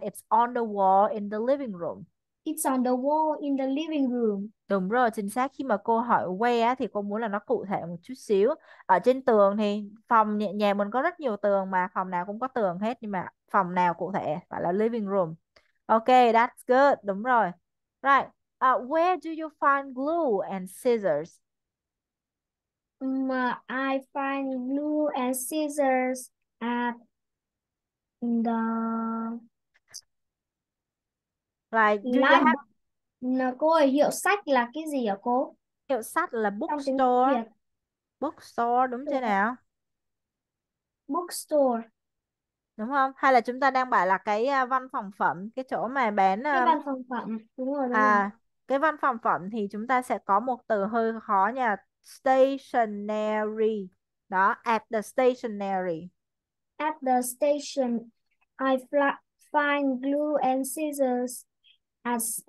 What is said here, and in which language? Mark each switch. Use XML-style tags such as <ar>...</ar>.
<en>It's on the wall in the living room. It's on the wall in the living room.</en> <vi>Đúng rồi, chính xác. Khi mà cô hỏi where thì cô muốn là nó cụ thể một chút xíu. Ở trên tường thì phòng nhà, nhà mình có rất nhiều tường mà phòng nào cũng có tường hết. Nhưng mà phòng nào cụ thể phải là living room.</vi> <en>Ok, that's good.</en> <vi>Đúng rồi.</vi> <en>Right. Where do you find glue and scissors? I find glue and scissors Like, do you the library.</en> <vi>Cô ơi, hiệu sách là cái gì ạ cô? hiệu sách là Trong tiếng Việt. bookstore. Bookstore đúng chưa Đúng nào? không? Bookstore. Đúng không? Hay là chúng ta đang bảo là cái văn phòng phẩm, cái chỗ mà bán Cái văn phòng phẩm. Đúng rồi, đúng rồi. cái văn phòng phẩm thì chúng ta sẽ có một từ hơi khó nha, stationery.</vi> <en>Đó, at the stationery. At the station, I find glue and scissors at</en>